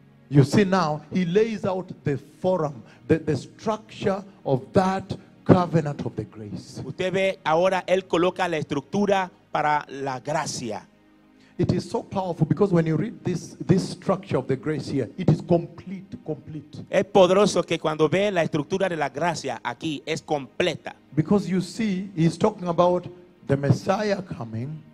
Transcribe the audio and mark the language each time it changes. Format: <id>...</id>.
<en>You see now he lays out the forum, the structure of that covenant of the grace.</en> <es>Usted ve ahora él coloca la estructura para la gracia.</es> <en>It is so powerful because when you read this structure of the grace here, it is complete.</en> <es>Es poderoso que cuando ve la estructura de la gracia aquí es completa.</es> <en>Because you see, he's talking about the Messiah coming.</en>